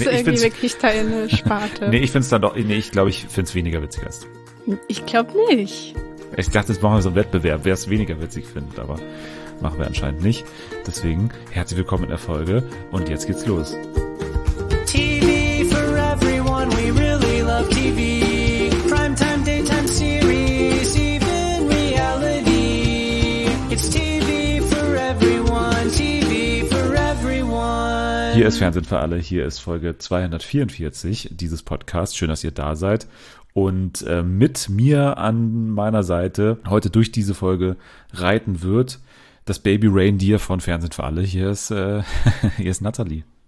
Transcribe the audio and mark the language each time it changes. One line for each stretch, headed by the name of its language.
German: irgendwie wirklich deine Sparte. Ich finde es weniger witzig als du. Ich glaube nicht. Ich dachte, jetzt machen wir so einen Wettbewerb, wer es weniger witzig findet, aber machen wir anscheinend nicht. Deswegen herzlich willkommen in der Folge und jetzt geht's los.
English: TV for everyone, we really love TV. Primetime, daytime series, even reality. It's TV for everyone, TV for everyone.
German: Hier ist Fernsehen für alle, hier ist Folge 244 dieses Podcast. Schön, dass ihr da seid. Und mit mir an meiner Seite heute durch diese Folge reiten wird das Baby Reindeer von Fernsehen für alle. Hier ist Nathalie.